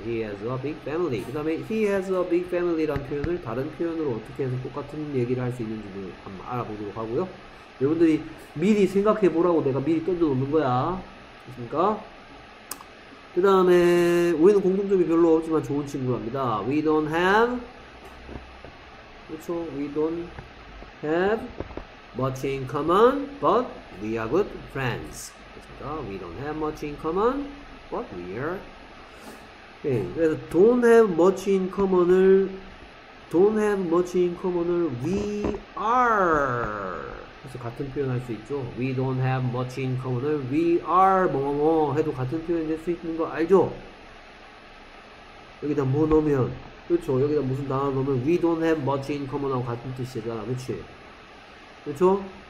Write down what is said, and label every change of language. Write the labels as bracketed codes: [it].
[en] He has a big family. [ko] 그 다음에 [en] He has a big family [ko] 란 표현을 다른 표현으로 어떻게 해서 똑같은 얘기를 할 수 있는지도 한번 알아보도록 하고요. 여러분들이 미리 생각해보라고 내가 미리 던져놓는 거야. 됐습니까? 그 다음에 우리는 공통점이 별로 없지만 좋은 친구랍니다. [en] We don't have [ko] 그렇죠. [en] We don't have much in common, but we are good friends. [ko] 그렇습니다. [en] We don't have much in common, but we are. [ko] 네. [en] 그래서 don't have much in common을 don't have much in common을 we are. [ko] 그래서 같은 표현할 수 있죠. [en] We don't have much in common [ko] 을 we are 뭐뭐뭐 해도 같은 표현될 수 있는 거 알죠? 여기다 뭐 넣으면. 그렇죠. 여기다 무슨 단어 넣으면 [en] we don't have much in common [ko] 하고 같은 뜻이잖아. 그렇지? 그렇죠?